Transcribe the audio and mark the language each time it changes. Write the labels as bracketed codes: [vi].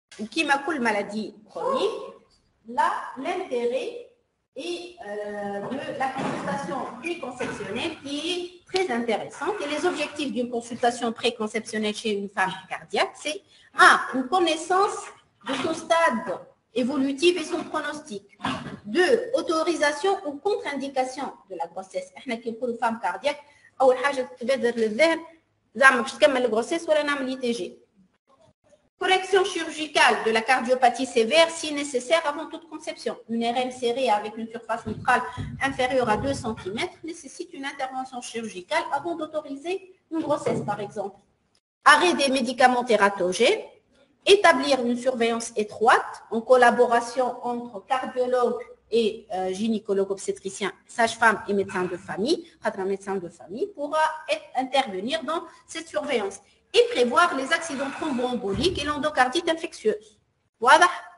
[fr] Qui m'a coulé maladie chronique, là, l'intérêt est de la consultation préconceptionnelle qui est très intéressante. Et les objectifs d'une consultation préconceptionnelle chez une femme cardiaque, c'est 1. Une connaissance de son stade évolutif et son pronostic. 2. Autorisation ou contre-indication de la grossesse. On a dit pour une femme cardiaque, [ar] أول حاجة تبادر للذهن زعما باش تكمل الغروسيس ولا نعمل اي تي جي. [fr] Correction chirurgicale de la cardiopathie sévère si nécessaire avant toute conception. Une RM serrée avec une surface mitrale inférieure à 2 cm nécessite une intervention chirurgicale avant d'autoriser une grossesse par exemple. Arrêt des médicaments tératogènes. Établir une surveillance étroite en collaboration entre cardiologues et gynécologue obstétricien, sage-femme et médecin de famille, un médecin de famille pourra intervenir dans cette surveillance et prévoir les accidents thromboemboliques et l'endocardite infectieuse. Voilà.